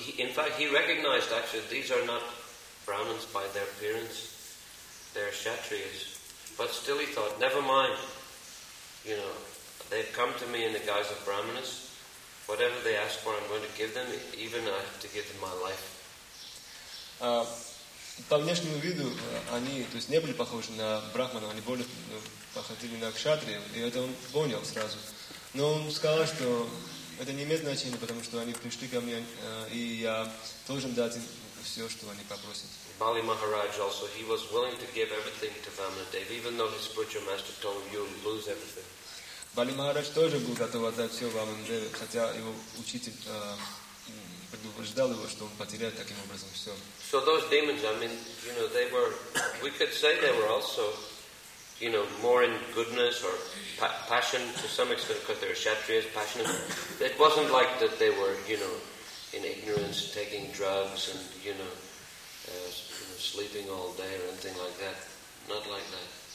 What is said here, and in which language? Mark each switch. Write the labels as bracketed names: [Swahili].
[English] In fact, he recognized, actually, these are not Brahmins by their appearance. They're Kshatriyas. But still he thought, never mind. You know, they've come to me in the guise of Brahmanas. Whatever they ask for, I'm going to give them. Even I have to give them my life. [Russian] По внешнему виду они, то есть, не были похожи на брахманов, они более походили на кшатрию, и это он понял сразу. Но он сказал, что это не имеет значения, потому что они пришли ко мне, и я должен дать им все, что они попросят. [English] Bali Maharaj also, he was willing to give everything to Vamanadeva, even though his spiritual master told him, you'll lose everything. [Russian] Bali Maharaj тоже был готов отдать все Vamanadeva, хотя его учитель... предупреждал его, что он потеряет таким образом все. [English] So those demons, I mean, you know, they were, we could say they were also, you know, more in goodness or passion to some extent, because they were kshatriyas, passionate. It wasn't like that they were, you know, in ignorance, taking drugs and, you know, sleeping all day or anything like that. Not like that.